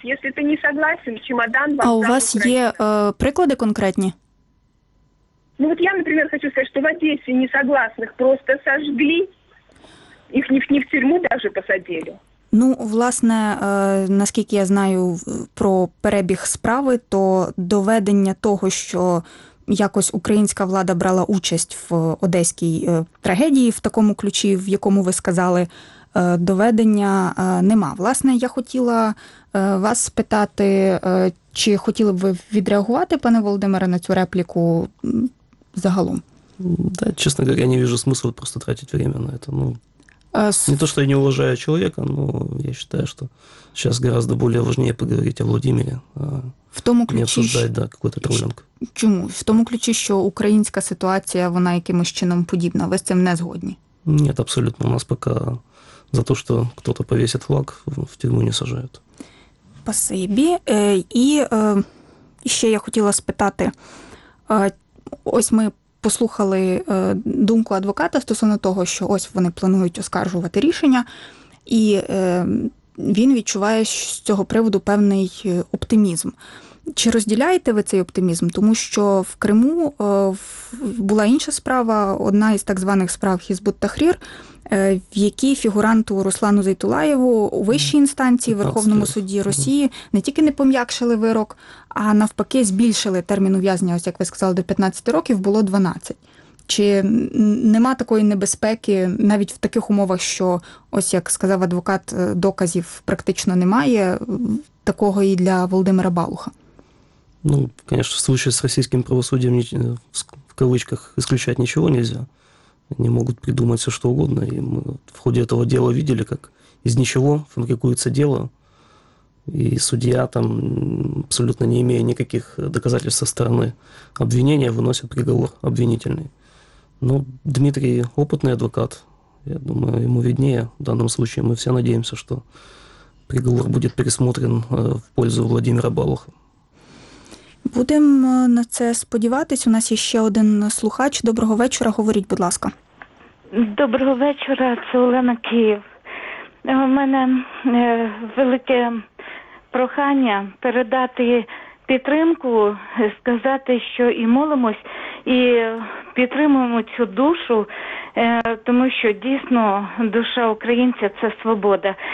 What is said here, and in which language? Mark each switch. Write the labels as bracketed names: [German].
[Russian] Если ты не согласен, чемодан... А у вас есть приклады конкретные? Ну вот я, например, хочу сказать, что в Одессе несогласных просто сожгли. Их не в тюрьму даже посадили. [Ukrainian] Ну, власне, наскільки я знаю про перебіг справи, то доведення того, що якось українська влада брала участь в одеській трагедії в такому ключі, в якому ви сказали, доведення нема. Власне, я хотіла вас спитати, чи хотіли б ви відреагувати, пане Володимире, на цю репліку загалом? [Russian] Да, честно говоря, я не вижу смысла просто тратить время на это. Ну, не то, что я не уважаю человека, но я считаю, что сейчас гораздо более важнее поговорить о Владимире, [Ukrainian] в тому ключі, [Russian] не обсуждать, да, какую-то травленку. [Ukrainian] Чому? В тому ключі, що українська ситуація, вона якимось чином подібна. Ви з цим не згодні? [Russian] Нет, абсолютно. У нас пока за то, что кто-то повесит флаг, в тюрьму не сажают. [Ukrainian] Спасибі. І ще я хотіла спитати. Ось ми послухали думку адвоката стосовно того, що ось вони планують оскаржувати рішення, і він відчуває з цього приводу певний оптимізм. Чи розділяєте ви цей оптимізм? Тому що в Криму була інша справа, одна із так званих справ Хізбут-Тахрір, в якій фігуранту Руслану Зайтулаєву у вищій інстанції Верховному суді Росії не тільки не пом'якшили вирок, а навпаки збільшили термін ув'язнення, ось як ви сказали, до 15 років, було 12. Чи нема такої небезпеки навіть в таких умовах, що, ось як сказав адвокат, доказів практично немає, такого і для Володимира Балуха? [Russian] Ну, конечно, в случае с российским правосудием в кавычках исключать ничего нельзя. Они могут придумать все что угодно. И мы в ходе этого дела видели, как из ничего фабрикуется дело. И судья, там, абсолютно не имея никаких доказательств со стороны обвинения, выносит приговор обвинительный. Но Дмитрий опытный адвокат. Я думаю, ему виднее в данном случае. Мы все надеемся, что приговор будет пересмотрен в пользу Владимира Балуха. [Ukrainian] Будемо на це сподіватись. У нас є ще один слухач. Доброго вечора, говоріть, будь ласка. Доброго вечора, це Олена, Київ. У мене велике прохання передати підтримку, сказати, що і молимось, і підтримуємо цю душу, тому що дійсно душа українця – це свобода.